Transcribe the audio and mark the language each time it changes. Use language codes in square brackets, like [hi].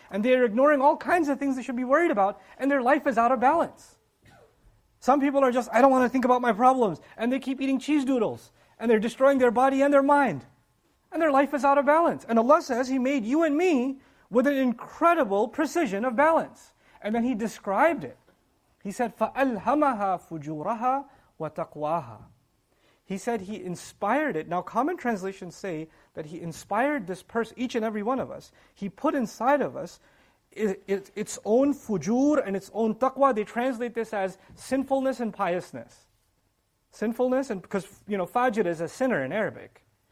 [en] And they're ignoring all kinds of things they should be worried about, and their life is out of balance. Some people are just, I don't want to think about my problems. And they keep eating cheese doodles. And they're destroying their body and their mind. And their life is out of balance. And Allah says He made you and me with an incredible precision of balance. And then He described it. He said, [ar] فَأَلْهَمَهَا فُجُورَهَا وَتَقْوَاهَا. [en] He said He inspired it. Now common translations say that He inspired this person, each and every one of us. He put inside of us its own fujur and its own taqwa. They translate this as sinfulness and piousness. Sinfulness, and because you know fajr is a sinner in Arabic.